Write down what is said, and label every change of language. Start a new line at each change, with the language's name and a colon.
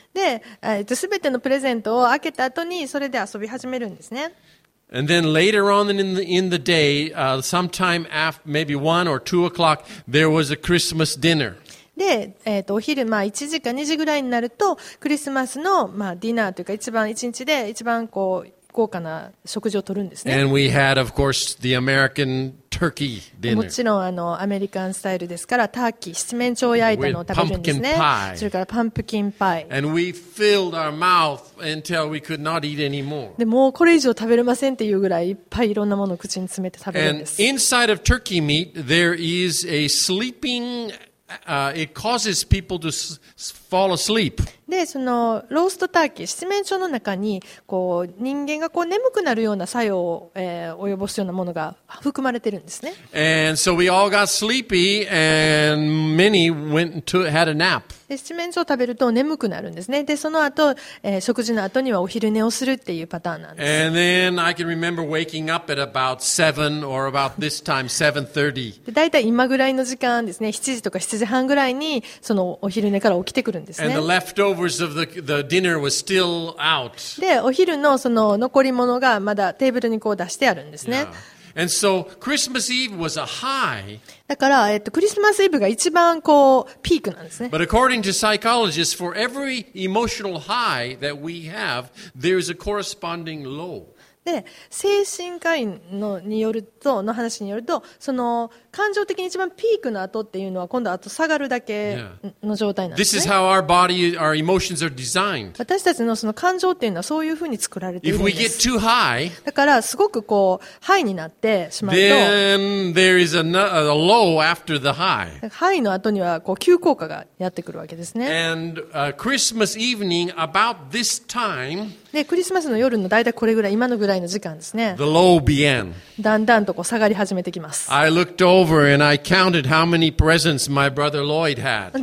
Japanese: で、全てのプレゼントを開けた後にそれで遊び始めるんですね
English: And then later on in the day, sometime after maybe 1 or 2 o'clock, there was a Christmas dinner.
Japanese: で、お昼まあ1時か2時ぐらいになるとクリスマスのまあディナーというか一番一日で一番こう豪華な食事をとるんですね。
English: And we had of course the American turkey dinner.
Japanese: もちろんアメリカンスタイルですからターキー七面鳥焼いたのを食べるんですね。
English: With pumpkin pie.
Japanese: それからパンプキンパイ。
English: And we filled our mouth until we could not eat anymore.
Japanese: でもうこれ以上食べれませんっていうぐらいいっぱいいろんなものを口に詰めて食べるんです。
English: And inside of turkey meat there is a sleepingit causes people to fall asleep.
Japanese: で、そのローストターキー、七面鳥の中にこう人間がこう眠くなるような作用を、及ぼすようなものが含まれてるんですね。
English: And so we all got sleepy, and many went to had a nap.
Japanese: で、七面鳥を食べると眠くなるんですね。で、その後、食事の後にはお昼寝をするっていうパターンなんです。
English: And then I can remember waking up at about 7 or about this time 7:30.
Japanese: で、だいたい今ぐらいの時間ですね。7時とか7時半ぐらいにそのお昼寝から起きてくるんですね。
English: And the leftovers of the dinner was still out.
Japanese: で、お昼のその残り物がまだテーブルにこう出してあるんですね。
English: Yeah. And so Christmas Eve was a high.
Japanese: だから、クリスマスイブが一番こうピークなんですね。
English: But according to psychologists, for every emotional high that we have, there is a corresponding low.
Japanese: で精神科医のによるとの話によるとその感情的に一番ピークの後っていうのは今度は後下がるだけの状態なんですね。
English: Yeah. This is how our body, our emotions are designed.
Japanese: 私たちのその感情っていうのはそういうふうに作られているんです。
English: If we get too high,
Japanese: だからすごくこうハイになってしまうと、
English: then there is a low after the high.
Japanese: ハイの後にはこう急降下がやってくるわけですね。
English: And Christmas evening about this time.
Japanese: でクリスマスの夜のだいたいこれぐらい今のぐらいの時間ですね。
English: The low began.
Japanese: だんだんとこう下がり始めてきます。
English: I looked over and I counted how many presents my brother Lloyd had.